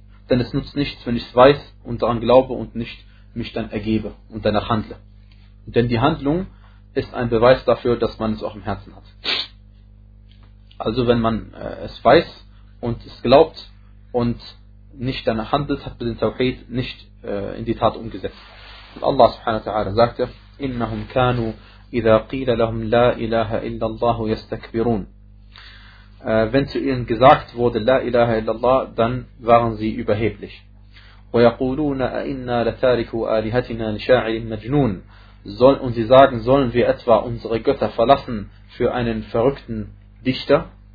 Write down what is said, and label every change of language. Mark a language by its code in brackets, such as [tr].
[de] Denn es nutzt nichts, wenn ich es weiß und daran glaube und nicht mich dann ergebe und danach handle. Denn die Handlung ist ein Beweis dafür, dass man es auch im Herzen hat. Also wenn man es weiß und es glaubt und nicht danach handelt, hat man den Tawhid nicht in die Tat umgesetzt. Und Allah subhanahu wa ta'ala sagte, [ar] إِنَّهُمْ كَانُوا إِذَا قِيلَ لَهُمْ لَا إِلَهَ إِلَّا اللَّهُ يَسْتَكْبِرُونَ. [de] Wenn zu ihnen gesagt wurde, [ar] La ilaha illallah, [de] dann waren sie überheblich. [ar] وَيَقُولُونَ أَإِنَّا لَتَارِكُوا آلِهَتِنَا لِشَاعِرٍ مَجْنُونَ. [de] Und sie sagen, sollen wir etwa unsere Götter verlassen für einen verrückten Dichter?